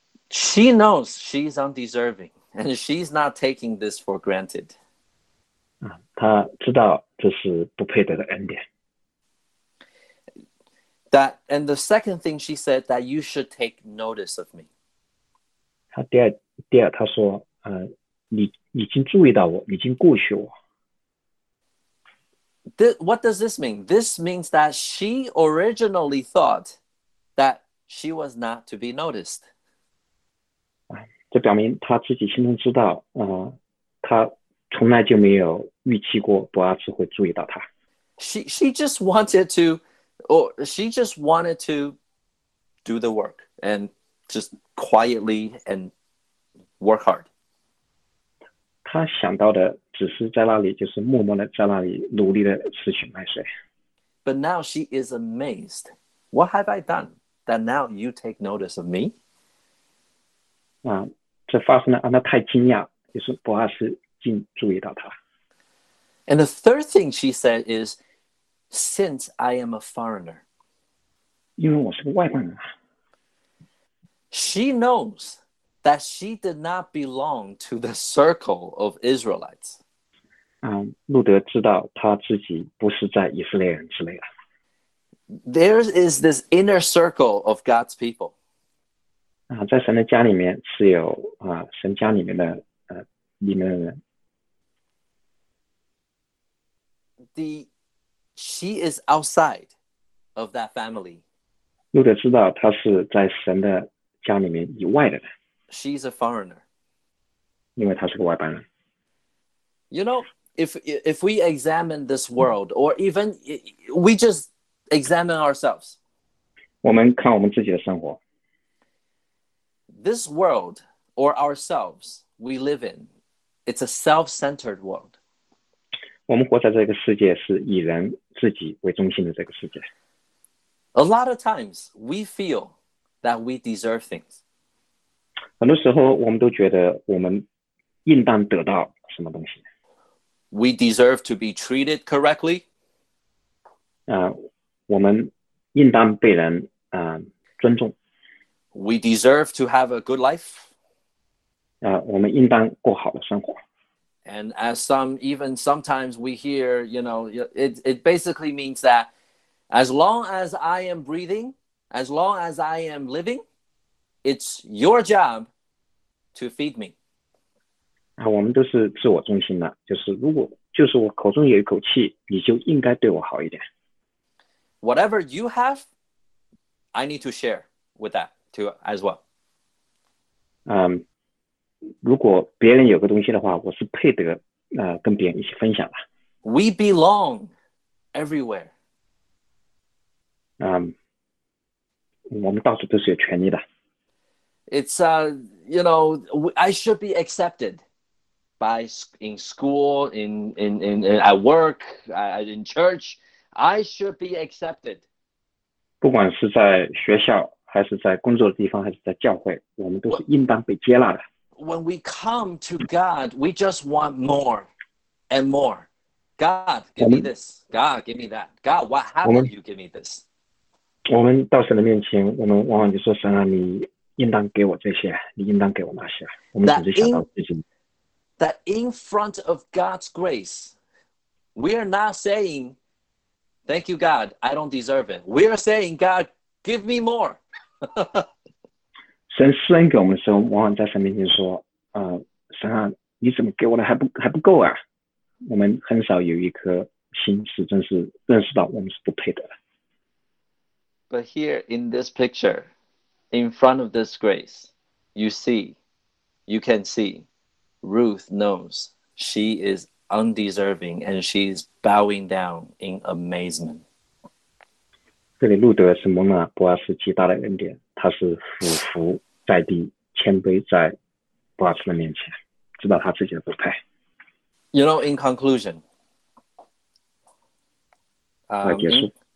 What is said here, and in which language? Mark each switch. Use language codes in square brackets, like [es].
[en] She knows she's undeserving, and she's not taking this for granted. [zh] 他知道这是不配得的恩典。 [en] That, and the second thing she said, that you should take notice of me. [zh] 他第二他说，你已经注意到我，已经顾恤我。 [en] What does this mean? This means that she originally thought that she was not to be noticed. [zh] 这表明她自己心中知道，她从来就没有预期过伯阿斯会注意到她。 [en] She just wanted to do the work and just quietly and work hard. [zh] 他想到的只是在那里，就是默默的在那里努力的拾取麦穗。 [en] But now she is amazed. What have I done that now you take notice of me? [zh] 这发生了，让她太惊讶，就是伯阿斯竟注意到她。 [en] And the third thing she said is, since I am a foreigner. [zh] 因为我是个外邦人。 [en] She knows. That she did not belong to the circle of Israelites. [zh] 路德知道他自己不是在以色列人之内的。 [en] There is this inner circle of God's people. [zh] 在神的家里面是有神家里面的里面的人。 [en] She is outside of that family. [zh] 路德知道他是在神的家里面以外的人。 [en] She's a foreigner. [zh] 因为她是个外邦人。 [en] You know, if we examine this world, or even we just examine ourselves. [zh] 我们看我们自己的生活。 [en] This world, or ourselves, we live in, it's a self-centered world. [zh] 我们活在这个世界是以人自己为中心的这个世界。 [en] A lot of times, we feel that we deserve things. [zh] 很多时候我们都觉得我们应当得到什么东西。 [en] We deserve to be treated correctly. [zh] 我们应当被人尊重。 [en] We deserve to have a good life. [zh] 我们应当过好的生活。 [en] And as some, even sometimes we hear, you know, it basically means that as long as I am breathing, as long as I am living, it's your job to feed me. [zh] 我们都是自我中心的，就是如果就是我口中有一口气，你就应该对我好一点。 [en] Whatever you have, I need to share with that too as well. [zh] 如果别人有个东西的话，我是配得跟别人一起分享的。 [en] We belong everywhere. [zh] 我们到处都是有权利的。 [en] It's you know, I should be accepted by in school, in at work, in church. I should be accepted. [zh] 不管是在学校，还是在工作的地方，还是在教会，我们都是应当被接纳的。 [en] When we come to God, we just want more and more. God, give me this. God, give me that. God, why haven't you given me this? [zh] 我们到神的面前，我们往往就说神啊，你应当给我这些，你应当给我那些。我们总是想到自己。 [en] That in front of God's grace, we are not saying, thank you, God, I don't deserve it. We are saying, God, give me more. [zh] 神施恩给我们的时候，往往在神面前说：“神啊，你怎么给我的还不够啊？” 我们很少有一颗心是真是认识到我们是不配得的。 [en] But here in this picture, in front of this grace, you see, you can see, Ruth knows she is undeserving, and she's bowing down in amazement. [zh] 这里路德是蒙了伯阿斯极大的恩典，他是俯伏。在地谦卑在布拉斯的面前，知道他自己的不配。 [en] You know, in conclusion, [zh] 结束。